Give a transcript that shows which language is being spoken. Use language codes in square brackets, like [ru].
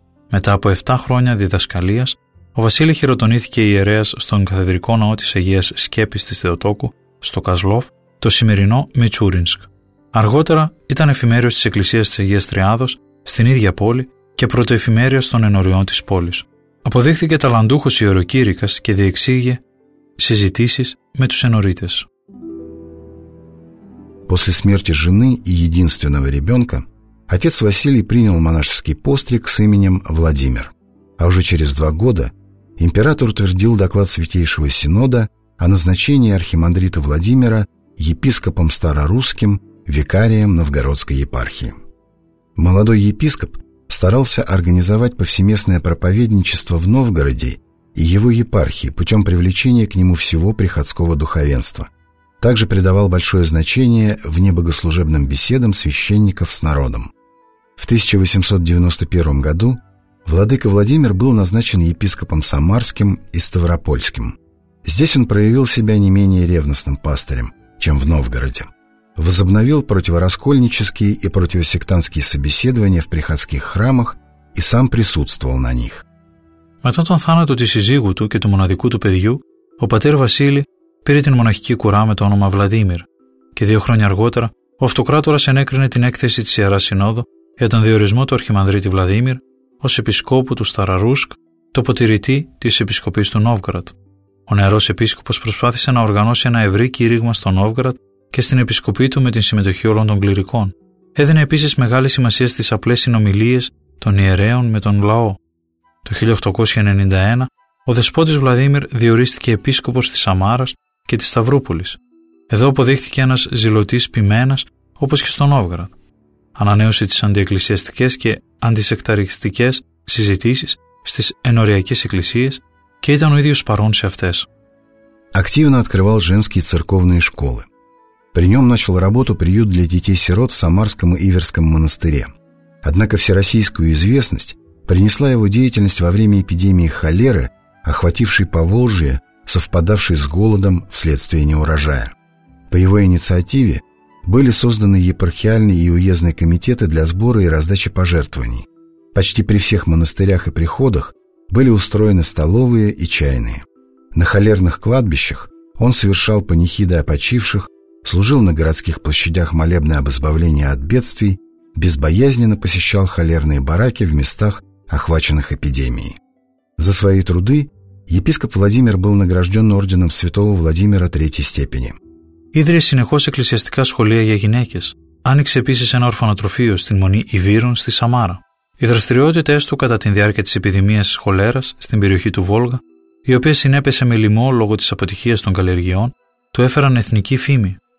[el] Μετά από 7 χρόνια διδασκαλίας, ο Βασίλη χειροτονήθηκε ιερέας στον Καθεδρικό Ναό της Αγίας Σκέπης της Θεοτόκου, στο Καζλόφ, το σημερινό Μιτσούρινσκ. Αργότερα ήταν εφημέριος της Εκκλησίας της Αγίας Τριάδος στην ίδια πόλη και πρωτοεφημέριος των ενωριών της πόλης. Αποδείχθηκε ταλαντούχος ιεροκήρυκας και διεξήγε συζητήσεις με τους ενωρίτες. [ru] После смерти жены и единственного ребенка отец Василий принял монашеский постриг с именем Владимир. А уже через 2 года император утвердил доклад Святейшего Синода о назначении архимандрита Владимира епископом старорусским, викарием Новгородской епархии. Молодой епископ старался организовать повсеместное проповедничество в Новгороде и его епархии путем привлечения к нему всего приходского духовенства. Также придавал большое значение внебогослужебным беседам священников с народом. В 1891 году владыка Владимир был назначен епископом Самарским и Ставропольским. Здесь он проявил себя не менее ревностным пастырем, чем в Новгороде. Возобновил противораскольнические и противосектантские собеседования в приходских храмах и сам присутствовал на них. [el] Μετά τον θάνατο της συζύγου του και του μοναδικού του παιδιού, ο πατήρ Βασίλη πήρε την μοναχική κουρά με το όνομα Βλαδίμιρ και 2 χρόνια αργότερα ο αυτοκράτορας ενέκρινε την έκθεση της Ιεράς Συνόδου για τον διορισμό του αρχιμανδρίτη Βλαδίμιρ ως επισκόπου του Σταραρούσκ, τοποτηρητή της Επισκοπής του Νόβγκραντ. Ο νεαρός επίσκοπος προσπάθησε να οργανώσει ένα ευρύ κήρυγμα στο Νόβγκραντ και στην επισκοπή του με την συμμετοχή όλων των κληρικών. έδινε επίσης μεγάλη σημασία στις απλές συνομιλίες των ιερέων με τον λαό. Το 1891 ο δεσπότης Βλαδίμιρ διορίστηκε επίσκοπος της Σαμάρας και της Σταυρούπολης. Εδώ αποδείχθηκε ένας ζηλωτής ποιμένας όπως και στο Νόβγαραντ. Ανανέωσε τις αντιεκκλησιαστικές και αντισεκταριστικές συζητήσεις στις ενωριακές εκκλησίες και ήταν ο ίδιος παρόν σε αυτές. [ru] Активно открывал женские церковные школы. При нем начал работу приют для детей-сирот в Самарском и Иверском монастыре. Однако всероссийскую известность принесла его деятельность во время эпидемии холеры, охватившей Поволжье, совпадавшей с голодом вследствие неурожая. По его инициативе были созданы епархиальные и уездные комитеты для сбора и раздачи пожертвований. Почти при всех монастырях и приходах были устроены столовые и чайные. На холерных кладбищах он совершал панихиды о почивших, служил на городских площадях молебны об избавлении от бедствий, безбоязненно посещал холерные бараки в местах, охваченных эпидемией. За свои труды епископ Владимир был награжден орденом святого Владимира третьей степени. [el] Ίδρυε συνεχώς εκκλησιαστικά σχολεία για γυναίκες. Άνοιξε επίσης ένα ορφανοτροφείο στην Μονή Ιβύρων στη Σαμάρα. Οι δραστηριότητες του κατά τη διάρκεια της επιδημίας χολέρας στην περιοχή του Βόλγα, η οποία συνέπεσε με λοιμό λόγω της αποτυχίας των καλλιεργειών, του έφεραν εθνική φήμη.